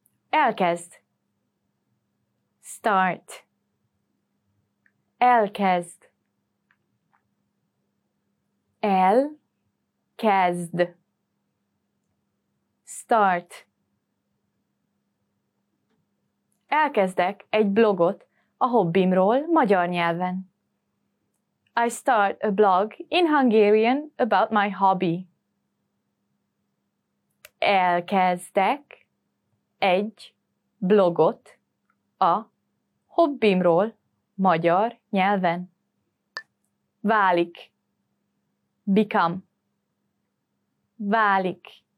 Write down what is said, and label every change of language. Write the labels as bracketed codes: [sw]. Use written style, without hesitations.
[hu] Elkezd. Start. Elkezd. Elkezd. Start. Elkezdek egy blogot a hobbimról magyar nyelven. [en] I start a blog in Hungarian about my hobby. [hu] Elkezdek egy blogot a hobbimról magyar nyelven. Válik. Become. Válik.